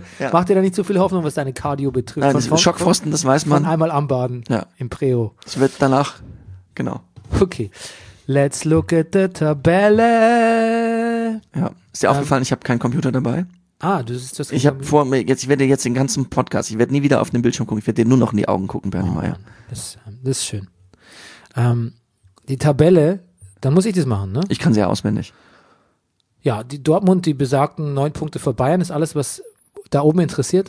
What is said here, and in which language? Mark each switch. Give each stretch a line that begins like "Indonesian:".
German: Mach dir da nicht zu viel Hoffnung, was deine Cardio betrifft. Nein, von Schockfrosten, das weiß man. Von einmal anbaden. Ja. Im Preo. Es wird danach. Genau. Okay.
English: Let's look at the Tabelle.
German: Ja. Ist dir aufgefallen, ich habe keinen Computer dabei? Ah, du siehst das. Ich habe vor mir. Jetzt, ich werde jetzt den ganzen Podcast. Ich werde nie wieder auf den Bildschirm gucken. Ich werde dir nur noch in die Augen gucken, Bernie Meier. Das ist schön. Die Tabelle, dann muss ich das machen, ne? Ich kann sie ja auswendig. Ja, die Dortmund, die besagten 9 Punkte vor Bayern, ist alles, was da oben interessiert.